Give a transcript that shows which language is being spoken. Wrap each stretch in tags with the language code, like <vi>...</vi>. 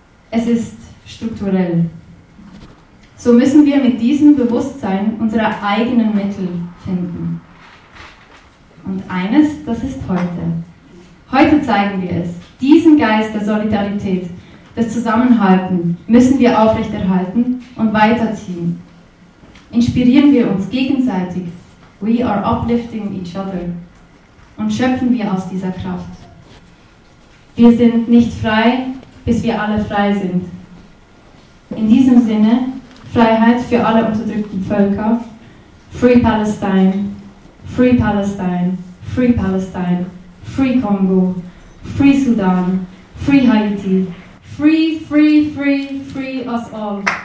<de>Es ist strukturell. So müssen wir mit diesem Bewusstsein unsere eigenen Mittel finden. Und eines, das ist heute. Heute zeigen wir es. Diesen Geist der Solidarität, des Zusammenhalten müssen wir aufrechterhalten und weiterziehen. Inspirieren wir uns gegenseitig.</de> <en>We are uplifting each other.</en> <de>Und schöpfen wir aus dieser Kraft. Wir sind nicht frei, bis wir alle frei sind. In diesem Sinne, Freiheit für alle unterdrückten Völker.</de> <en>Free Palestine, Free Palestine, Free Palestine, Free Congo, Free Sudan, Free Haiti, Free, Free, Free, Free us all.</en>